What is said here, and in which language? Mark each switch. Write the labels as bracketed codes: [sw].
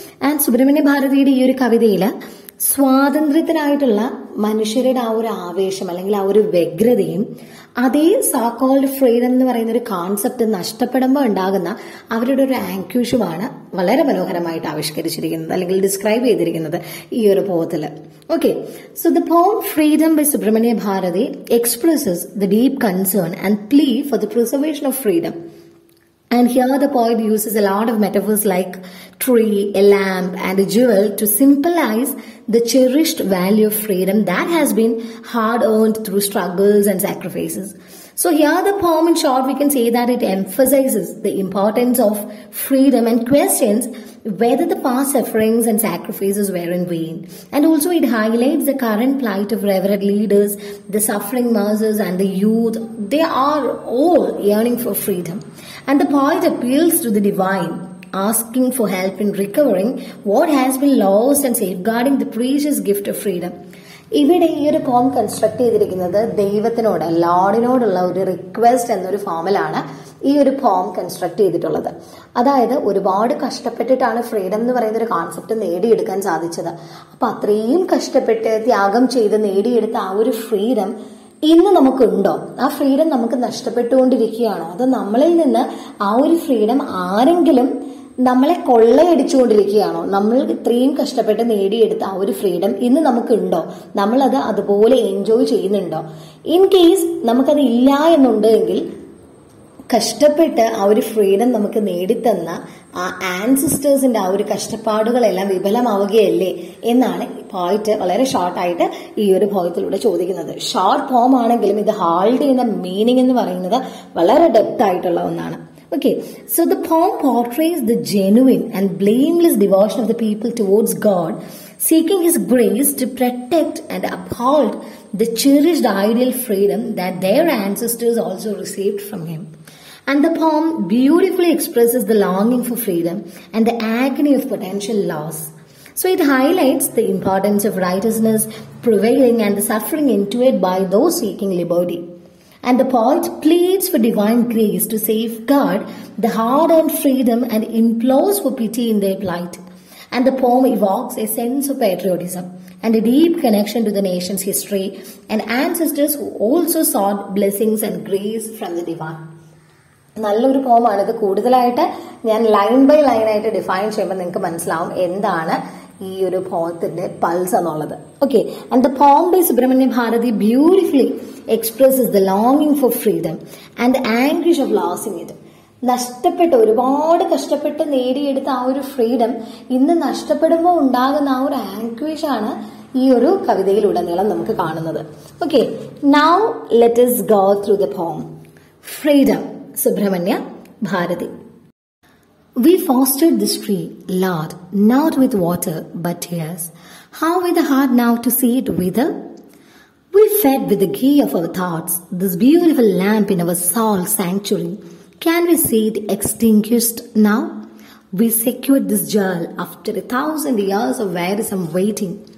[ml] And Subrahmanya ഭാരതിയുടെ ഈ ഒരു കവിതയിൽ സ്വാതന്ത്ര്യത്തിനായിട്ടുള്ള മനുഷ്യരുടെ ആ ഒരു ആവേശം, അല്ലെങ്കിൽ ആ ഒരു വ്യഗ്രതയും, അതേ സോ കോൾഡ് ഫ്രീഡം എന്ന് പറയുന്ന ഒരു കോൺസെപ്റ്റ് നഷ്ടപ്പെടുമ്പോൾ ഉണ്ടാകുന്ന അവരുടെ ഒരു ആങ്ക്യൂഷുമാണ് വളരെ മനോഹരമായിട്ട് ആവിഷ്കരിച്ചിരിക്കുന്നത്, അല്ലെങ്കിൽ ഡിസ്ക്രൈബ് ചെയ്തിരിക്കുന്നത് ഈ ഒരു പോത്തിൽ. [en] Okay, so the poem freedom by Subramania Bharati expresses the deep concern and plea for the preservation of freedom. And here the poet uses a lot of metaphors like tree, a lamp and a jewel to symbolize the cherished value of freedom that has been hard earned through struggles and sacrifices. So here the poem in short we can say that it emphasizes the importance of freedom and questions whether the past sufferings and sacrifices were in vain. And also it highlights the current plight of revered leaders, the suffering masses and the youth. They are all yearning for freedom. And the poet appeals to the divine, asking for help in recovering what has been lost and safeguarding the precious gift of freedom. [ml] ഇവിടെ ഈ ഒരു പോം construct ചെയ്തിരിക്കുന്നത് ദൈവത്തിനോട്, ലോർഡിനോടുള്ള ഒരു request എന്നൊരു ഫോമിലാണ് ഈ ഒരു പോം കൺസ്ട്രക്ട് ചെയ്തിട്ടുള്ളത്. അതായത് ഒരുപാട് കഷ്ടപ്പെട്ടിട്ടാണ് ഫ്രീഡം എന്ന് പറയുന്ന ഒരു കോൺസെപ്റ്റ് നേടിയെടുക്കാൻ സാധിച്ചത്. അപ്പൊ അത്രയും കഷ്ടപ്പെട്ട് ത്യാഗം ചെയ്ത് നേടിയെടുത്ത ആ ഒരു ഫ്രീഡം ഇന്ന് നമുക്കുണ്ടോ? ആ ഫ്രീഡം നമുക്ക് നഷ്ടപ്പെട്ടുകൊണ്ടിരിക്കുകയാണോ? അത് നമ്മളിൽ നിന്ന് ആ ഒരു ഫ്രീഡം ആരെങ്കിലും നമ്മളെ കൊള്ളയടിച്ചുകൊണ്ടിരിക്കുകയാണോ? നമ്മൾ ഇത്രയും കഷ്ടപ്പെട്ട് നേടിയെടുത്ത ആ ഒരു ഫ്രീഡം ഇന്ന് നമുക്കുണ്ടോ? നമ്മളത് അതുപോലെ എൻജോയ് ചെയ്യുന്നുണ്ടോ? ഇൻ കേസ് നമുക്കത് ഇല്ല എന്നുണ്ടെങ്കിൽ കഷ്ടപ്പെട്ട് ആ ഒരു ഫ്രീഡം നമുക്ക് നേടിത്തന്ന ആ ആൻസിസ്റ്റേഴ്സിന്റെ ആ ഒരു കഷ്ടപ്പാടുകളെല്ലാം വിഫലമാവുകയല്ലേ എന്നാണ് പോയിറ്റ് വളരെ ഷോർട്ടായിട്ട് ഈ ഒരു പോയിറ്റിലൂടെ ചോദിക്കുന്നത്. ഷോർട്ട് ഫോം ആണെങ്കിലും ഇത് ഹോൾഡ് ചെയ്യുന്ന മീനിങ് എന്ന് പറയുന്നത് വളരെ ഡെപ്ത് ആയിട്ടുള്ള ഒന്നാണ്. [en] Okay, so the poem portrays the genuine and blameless devotion of the people towards God, seeking His grace to protect and uphold the cherished ideal freedom that their ancestors also received from Him. And the poem beautifully expresses the longing for freedom and the agony of potential loss. So it highlights the importance of righteousness prevailing and the suffering endured by those seeking liberty. And the poet pleads for divine grace to safeguard the hard-earned freedom and implores for pity in their plight. And the poem evokes a sense of patriotism and a deep connection to the nation's history and ancestors who also sought blessings and grace from the divine. [ml] നല്ലൊരു പോം ആണ് ഇത്. കൂടുതലായിട്ട് ഞാൻ line by line ആയിട്ട് define ചെയ്യുമ്പോൾ നിങ്ങൾക്ക് മനസ്സിലാവും എന്താണ് ഈ ഒരു പോത്തിന്റെ പൾസ് എന്നുള്ളത്. [en] Okay, and the poem by Subrahmanya Bharati beautifully expresses the ലോങ്ങിങ് for freedom and the anguish of losing it. [ml] നഷ്ടപ്പെട്ട്, ഒരുപാട് കഷ്ടപ്പെട്ട് നേടിയെടുത്ത ആ ഒരു ഫ്രീഡം ഇന്ന് നഷ്ടപ്പെടുമ്പോൾ ഉണ്ടാകുന്ന ആ ഒരു ആംഗ്വിഷ് ആണ് ഈ ഒരു കവിതയിലുടനീളം നമുക്ക് കാണുന്നത്. [en] Okay, now let go through the poem. Freedom. Subramania, Bharati. We fostered this tree, Lord, not with water but tears. How with the heart now to see it wither? We fed with the ghee of our thoughts, this beautiful lamp in our soul sanctuary. Can we see it extinguished now? We secured this jewel after 1,000 years of wearisome waiting.